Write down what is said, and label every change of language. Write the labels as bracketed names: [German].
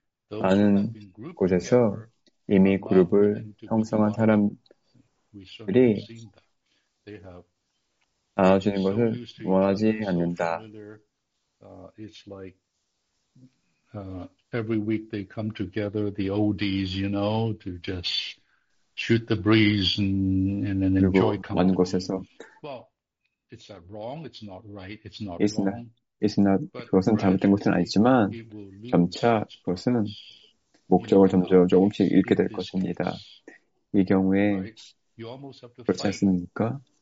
[Korean] 많은 곳에서 이미 그룹을 형성한 사람들이 나눠주는 것을 원하지 않는다. [English] It's like every week they come together, the oldies, you know, to just shoot the breeze and enjoy company. [Korean] 많은 곳에서 [English] well, it's not wrong. It's not right. It's not wrong. It's not [Korean] 그것은 잘못된 것은 아니지만 점차 그것은 목적을 점점 조금씩 잃게 될 것입니다. 이 경우에 그렇지 않습니까?